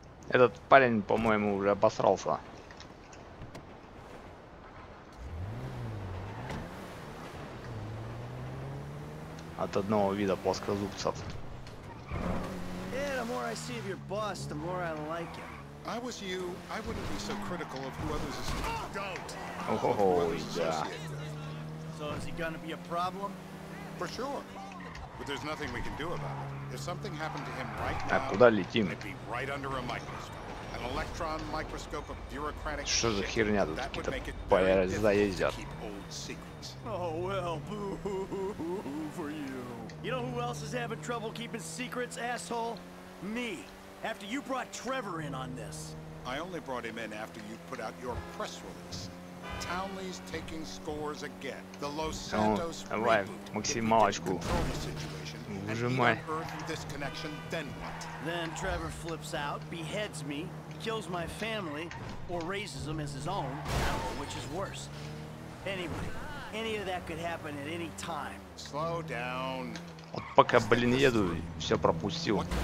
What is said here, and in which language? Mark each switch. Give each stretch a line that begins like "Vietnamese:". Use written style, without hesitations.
Russian: Этот парень, по-моему, уже обосрался. От одного вида плоскозубцев.
English: Yeah, the more I see of your boss, the more I like him. I was you, I wouldn't be so critical of who others is. Don't. Oh, yeah. So is he gonna be a problem? For sure. But there's nothing we can do about it. If something happened to him right now,
Russian: так, куда летим?
English: It'd be right under a microscope. An electron microscope of bureaucratic
Russian: shit. Что за херня тут? Какие-то пояры заездят.
English: Oh, well, boo-hoo-hoo-hoo for you. You know who else is having trouble keeping secrets, asshole? Me. After you brought Trevor in on this. I only brought him in after you put out your press release. Townley's taking scores again. The Los Santos reboot.
Russian: Максималочку. Нажимай.
English: Then Trevor flips out, beheads me, kills my family, or raises them as his own, which is worse. Anyway, any of that could happen at any time. Slow down.
Russian: Вот пока, блин, еду, все пропустил.